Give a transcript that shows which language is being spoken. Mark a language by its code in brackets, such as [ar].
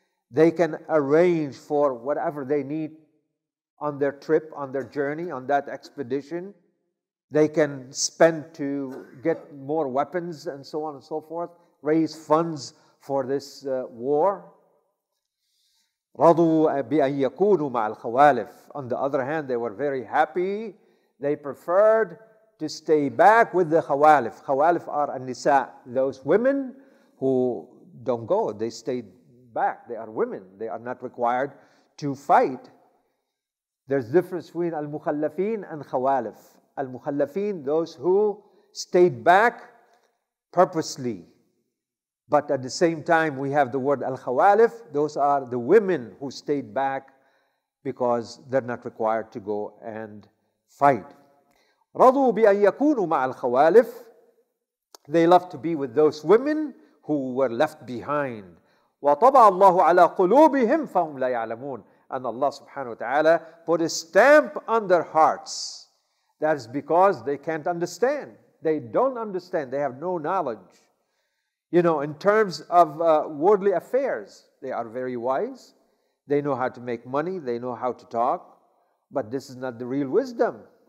[en] They can arrange for whatever they need on their trip, on their journey, on that expedition. They can spend to get more weapons and so on and so forth, raise funds for this war. [ar] رضوا بأن يكونوا مع الخوالف. [en] On the other hand, they were very happy. They preferred to stay back with the khawalif. Khawalif are an-nisa, those women who don't go. They stayed back. They are women. They are not required to fight. There's difference between al-mukhallafin and khawalif. Al-mukhallafin, those who stayed back purposely. But at the same time, we have the word al-khawalif. Those are the women who stayed back because they're not required to go and fight. [ar] رضوا بأن يكونوا مع الخوالف. [en] They love to be with those women who were left behind. [ar] وطبع الله على قلوبهم فهم لا يعلمون. [en] And Allah subhanahu wa ta'ala put a stamp on their hearts. That is because they can't understand. They don't understand. They have no knowledge. You know, in terms of worldly affairs, they are very wise. They know how to make money. They know how to talk. But this is not the real wisdom.